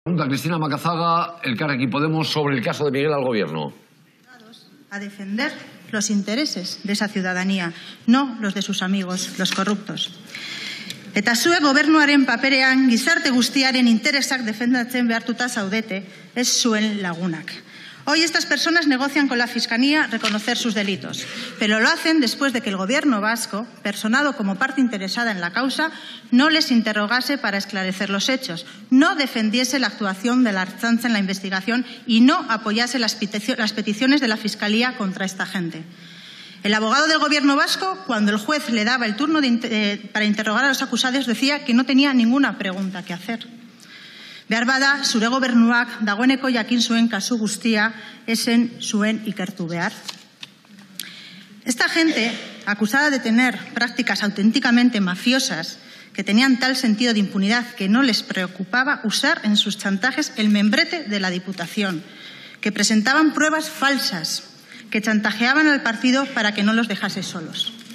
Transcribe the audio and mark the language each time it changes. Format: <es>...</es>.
<es>Pregunta Cristina Macazaga, el Carrequín Podemos, sobre el caso de Miguel al Gobierno. A defender los intereses de esa ciudadanía, no los de sus amigos, los corruptos.</es> <eu>Eta zue gobernuaren paperean gizarte guztiaren interesak defendatzen behartuta zaudete, ez zuen lagunak.</eu> <es>Hoy estas personas negocian con la Fiscalía reconocer sus delitos, pero lo hacen después de que el Gobierno vasco, personado como parte interesada en la causa, no les interrogase para esclarecer los hechos, no defendiese la actuación de la Ertzaintza en la investigación y no apoyase las peticiones de la Fiscalía contra esta gente. El abogado del Gobierno vasco, cuando el juez le daba el turno para interrogar a los acusados, decía que no tenía ninguna pregunta que hacer.</es> <eu>Behar bada, zure gobernuak dagoeneko jakin zuen kasu guztia esen zuen ikertu behar.</eu> <es>Esta gente, acusada de tener prácticas auténticamente mafiosas, que tenían tal sentido de impunidad que no les preocupaba usar en sus chantajes el membrete de la Diputación, que presentaban pruebas falsas, que chantajeaban al partido para que no los dejase solos.</es>